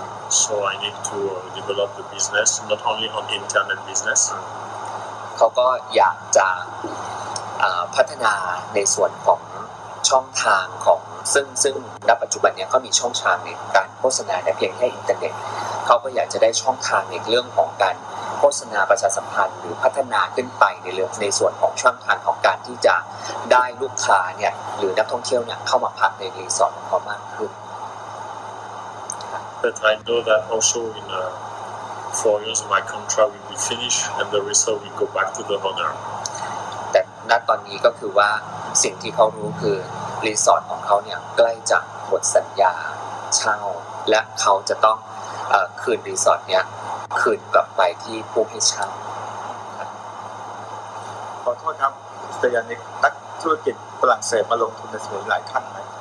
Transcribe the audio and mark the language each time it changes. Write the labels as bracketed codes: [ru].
[en] So I need to develop the business, not only on internet business. [th] เขาก็อยากจะพัฒนาในส่วนของช่องทางของซึ่งณปัจจุบันเนี้ยเขามีช่องทางในการโฆษณาแต่เพียงแค่อินเทอร์เน็ตเขาก็อยากจะได้ช่องทางในเรื่องของการโฆษณาประชาสัมพันธ์หรือพัฒนาขึ้นไปในเรื่องในส่วนของช่องทางของการที่จะได้ลูกค้าเนี่ยหรือนักท่องเที่ยวเนี่ยเข้ามาพักในรีสอร์ทของเขามากขึ้น [en] But I know that also in 4 years of my contract will be finished and the rest will go back to the owner. [th] แต่ณตอนนี้ก็คือว่าสิ่งที่เขารู้คือรีสอร์ทของเขาเนี่ยใกล้จะหมดสัญญาเช่าและเขาจะต้องคืนรีสอร์ทเนี้ยคืนกลับไปที่ผู้ให้เช่า ขอโทษครับแต่อย่างนี้นักธุรกิจฝรั่งเศสมาลงทุนในสมุยหลายขั้นไหม